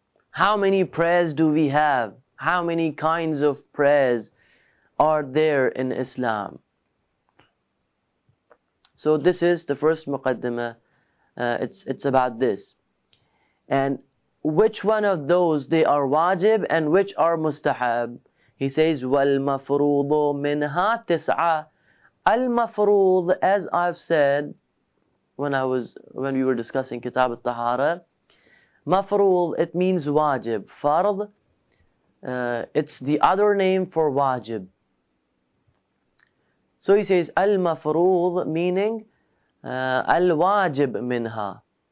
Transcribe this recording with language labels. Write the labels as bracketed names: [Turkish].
[English] How many prayers do we have? How many kinds of prayers are there in Islam? So this is the first muqaddimah. It's about this. And which one of those they are wajib and which are mustahab? He says, [Arabic] وَالْمَفْرُوضُ مِنْهَا تِسْعَى. [English] المفروض, as I've said, when we were discussing Kitab al-Tahara, مفروض, it means wajib. Fard, it's the other name for wajib. So he says, al-mafruḍ, meaning al-wajib minha.